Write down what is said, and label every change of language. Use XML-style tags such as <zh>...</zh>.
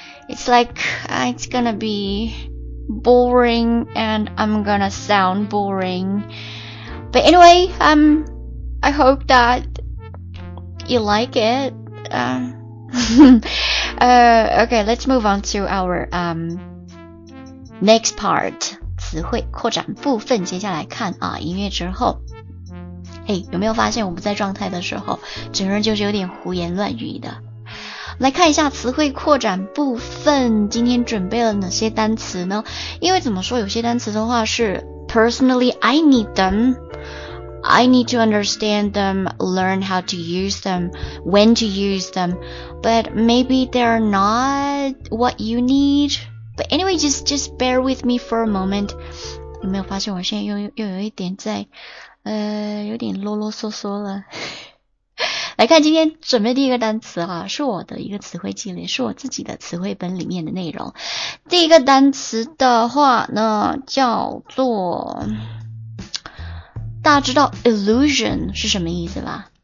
<en>It's like, it's gonna be boring and I'm gonna sound boring. But anyway, I hope that you like it. okay, let's move on to our next part.</en> <zh>词汇扩展部分接下来看啊，音乐之后。 Hey, 有没有发现我不在状态的时候整个人就是有点胡言乱语的。来看一下词汇扩展部分今天准备了哪些单词呢，因为怎么说有些单词的话是</zh> <en>personally I need them, I need to understand them, learn how to use them, when to use them, but maybe they're not what you need, but anyway, just bear with me for a moment.</en> <zh>有没有发现我现在又有一点在有点啰啰嗦嗦了。来来看今天准备第一个单词啊，是我的一个词汇积累，是我自己的词汇本里面的内容。第一个单词的话呢，叫做，大家知道 illusion 是什么意思吧？</zh>